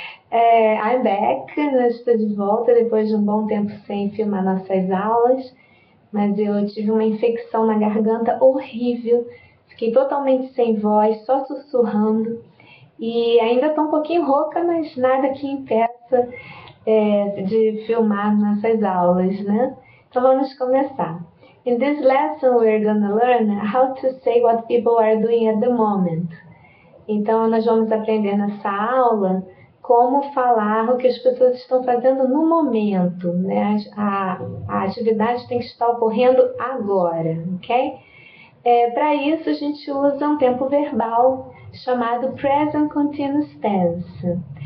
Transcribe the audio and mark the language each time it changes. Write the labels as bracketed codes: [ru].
[en] I'm back, [pt] estou de volta depois de um bom tempo sem filmar nossas aulas, mas eu tive uma infecção na garganta horrível, fiquei totalmente sem voz, só sussurrando e ainda estou um pouquinho rouca, mas nada que impeça de filmar nossas aulas, né? Então vamos começar. [en] In this lesson, we're going to learn how to say what people are doing at the moment. [pt] Então, nós vamos aprender nessa aula como falar o que as pessoas estão fazendo no momento, né? A atividade tem que estar ocorrendo agora, ok? Para isso, a gente usa um tempo verbal chamado Present Continuous Tense.